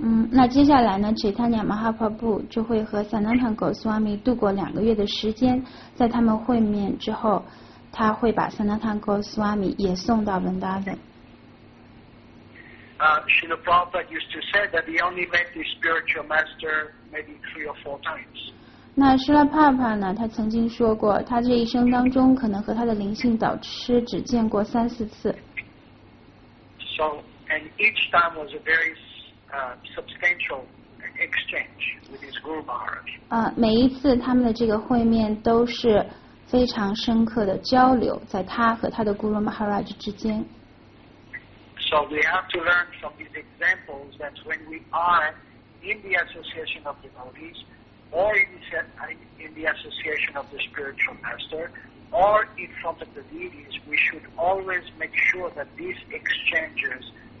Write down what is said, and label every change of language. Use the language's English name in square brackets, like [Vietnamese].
[Chinese] 那接下来呢 Chaitanya Mahaprabhu 就会和 Sanatan Goswami 度过2个月的时间，在他们会面之后，他会把 Sanatan Goswami 也送到 Vrindavan。 [English] Srila Prabhupada used to say that he only met his spiritual master maybe 3 or 4 times. [Chinese] 那 Srila Prabhupada 呢，他曾经说过，他这一生当中可能和他的灵性导师只见过3-4次。 [English] So,And each time was a very substantial exchange with his Guru Maharaj. [Chinese] 每一次他们的这个会面都是非常深刻的交流，在他和他的 Guru Maharaj 之间。 [English] So we have to learn from these examples that when we are in the association of devotees, or in the association of the spiritual master, or in front of the deities, we should always make sure that these exchanges.